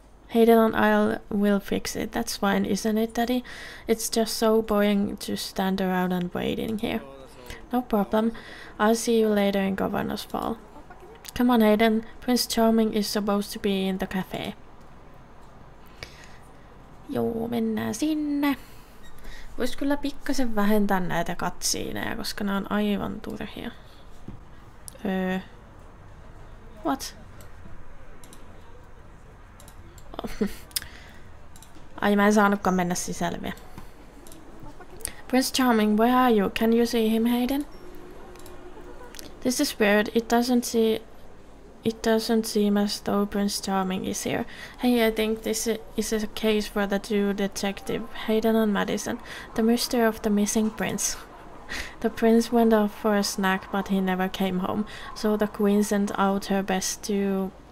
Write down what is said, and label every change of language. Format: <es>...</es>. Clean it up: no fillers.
<en>Hayden and I'll will fix it. That's fine, isn't it, Daddy? It's just so boring to stand around and waiting here. No problem. I'll see you later in Governor's Ball. Come on, Hayden. Prince Charming is supposed to be in the cafe.</en> <fi>Joo, mennään sinne. Voisi kyllä pikkasen vähentää näitä katsiineja, koska nämä on aivan turhia.</fi> <en>What?</en> <fi>Ai, mä en saanutkaan mennä sisälle vielä.</fi> <en>Prince Charming, where are you? Can you see him, Hayden? This is weird. It doesn't seem as though Prince Charming is here. Hey, I think this is a case for the two detective, Hayden and Madison. The mystery of the missing prince. The prince went off for a snack, but he never came home. So the queen sent out her best to</en>